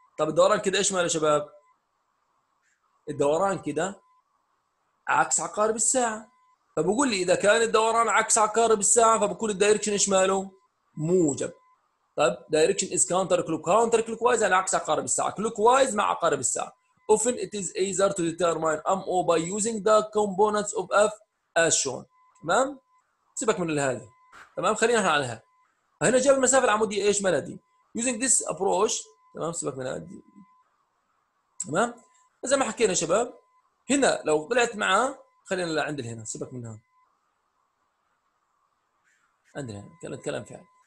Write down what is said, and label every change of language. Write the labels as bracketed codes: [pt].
[ar] طب الدوران كده ايش ماله يا شباب؟ الدوران كده عكس عقارب الساعة، فبقول لي إذا كان الدوران عكس عقارب الساعة فبكون الدايركشن ايش ماله؟ موجب. [en] طب direction is counter clock, counter clockwise [ar] يعني عكس عقارب الساعة، [en] clockwise [ar] مع عقارب الساعة. [en] Often it is easier to determine M O by using the components of F as shown. [ar] تمام؟ سيبك من هذا. تمام؟ خلينا احنا على هذا. فهنا جاب المسافة العمودية ايش مالها دي؟ [en] Using this approach [ar] تمام، سيبك من هادي تمام، زي ما حكينا شباب هنا لو طلعت معاه، خلينا لعند هنا سيبك منها عندنا هنا كلام فعلا.